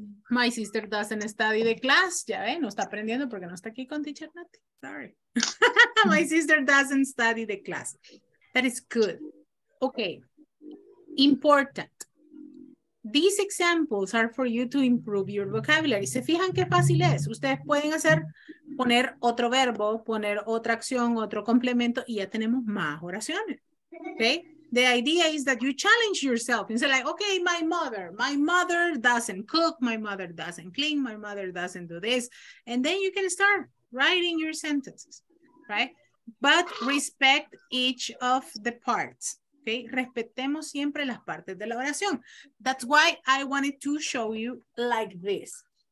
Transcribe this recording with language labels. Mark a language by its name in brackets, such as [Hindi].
[English] My sister doesn't study the class. [Spanish] Ya ve, no está aprendiendo porque no está aquí con teacher Nati. Sorry. [English] My sister doesn't study the class. That is good. Okay. Important. These examples are for you to improve your vocabulary. [Spanish] ¿Se fijan qué fácil es? Ustedes pueden hacer, poner otro verbo, poner otra acción, otro complemento, y ya tenemos más oraciones. [English] Okay? The idea is that you challenge yourself. And say like, okay, my mother doesn't cook, my mother doesn't clean, my mother doesn't do this. And then you can start writing your sentences, right? But respect each of the parts. [Spanish] Okay, respetemos siempre las partes de la oración. [English] That's why I wanted to show you like this.